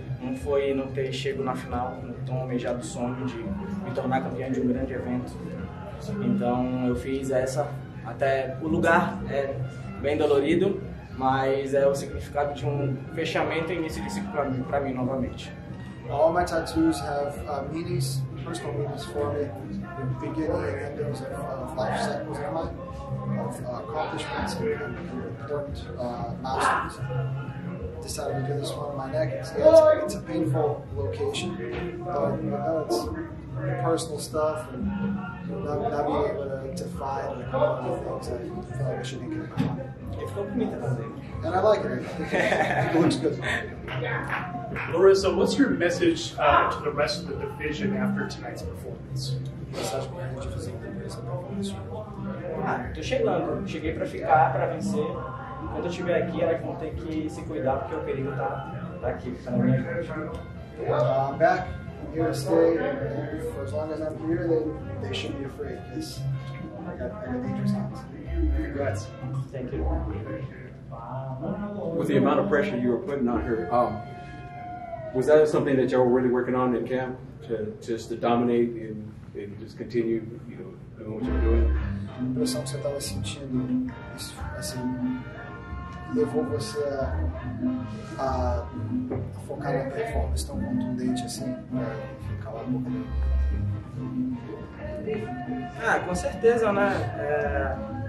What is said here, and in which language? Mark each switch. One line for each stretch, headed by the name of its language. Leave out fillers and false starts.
Portuguese: Um foi não ter chego na final, não ter almejado o sonho de me tornar campeão de um grande evento. Então eu fiz essa, até o lugar é bem dolorido, mas é o significado de um fechamento e início de ciclo para mim novamente.
English: All my tattoos have meanings, personal meanings for me, the beginning and end of life cycles in my of accomplishments and milestones. Decided to do this one on my neck. It's a painful location, but you know, it's personal stuff and not being able to find like, all the things that I feel like I should be good about. And I like it. It looks good. Larissa, what's your message to the rest of the division after tonight's performance?
Portuguese: Tô chegando. Cheguei pra ficar, pra vencer. Quando eu estiver aqui, era que vão ter que se cuidar, porque o perigo tá aqui, tá na minha frente.
English: I'm back. I'm here to stay. And for as long as I'm here, they should be afraid, because I got dangerous hands. Congrats. Thank you. With the amount of pressure you were putting on her, was that something that y'all were really working on in camp, to dominate and just continue, you know, doing what you're doing?
Portuguese: Era só o que você estava sentindo, assim, levou você a focar na performance tão contundente assim, pra ficar lá no meio. Com certeza, né?